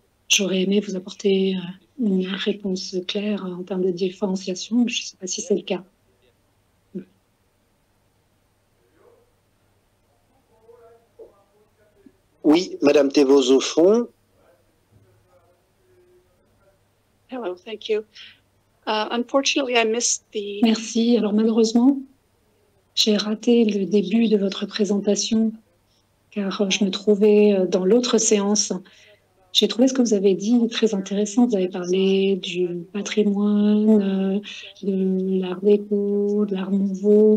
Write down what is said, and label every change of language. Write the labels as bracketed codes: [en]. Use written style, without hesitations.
[fr] J'aurais aimé vous apporter une réponse claire en termes de différenciation. Je ne sais pas si c'est le cas. Oui, Madame Thévoz, au fond. [en] Hello, thank you. Unfortunately, I missed the... [fr] Merci. Alors malheureusement, j'ai raté le début de votre présentation car je me trouvais dans l'autre séance. J'ai trouvé ce que vous avez dit très intéressant. Vous avez parlé du patrimoine, de l'art déco, de l'art nouveau.